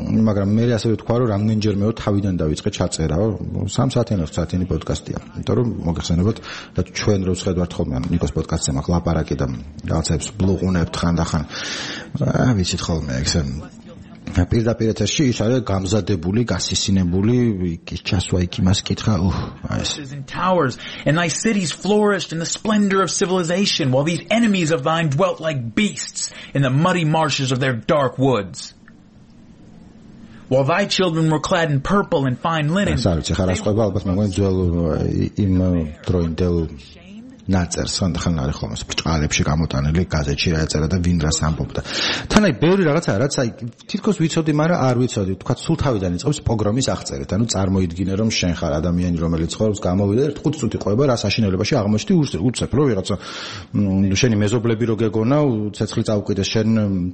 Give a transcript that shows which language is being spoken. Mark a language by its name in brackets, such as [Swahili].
[Georgian] მაგრამ მე ასე ვთქვა რომ რამდენჯერმეო თავიდან დავიწყე ჩაწერაო 3 საათიან 4 საათიანი პოდკასტია იმიტომ რომ მოგახსენებოთ და ჩვენ რო ვცხედავთ ხოლმე ნიკოს პოდკასტზე მაქვს ლაპარაკი და რაღაცებს ბლუღუნებთ ხანდახან აა ვიცით ხოლმე ესე პირდაპირ ეთერში ის არის გამზადებული, გასისინებული, ის ჩასვა იქ იმას კითხა, უჰ, აეს. [English] And thy cities flourished in the splendor of civilization while these enemies of thine dwelt like beasts in the muddy marshes of their dark woods. While thy children were clad in purple and fine linen. [Georgian] ეს არის ხარას ყובה, ალბათ მაგონ ძველ იმ დროინდელ ნაწერს ხანდახან არის ხოლმე ბრჭყალებში გამოტანილი გაზეთში რა ეწერა და ვინ რას ამბობდა. თან აი ბევრი რაღაცაა რაც აი თითქოს ვიცოდი, მაგრამ არ ვიცოდი. თქვა სულ თავიდან იწყებს პოგრომის აღწერით. ანუ წარმოიდგინე რომ შენ ხარ ადამიანი რომელიც ხარობს გამოვიდა და 5 წუთი ყובה რა საშინელებაში აღმოჩნდი უცებ რო ვიღაცა შენი მეზობლები რო გეგონა ცეცხლი წავკიდეს შენ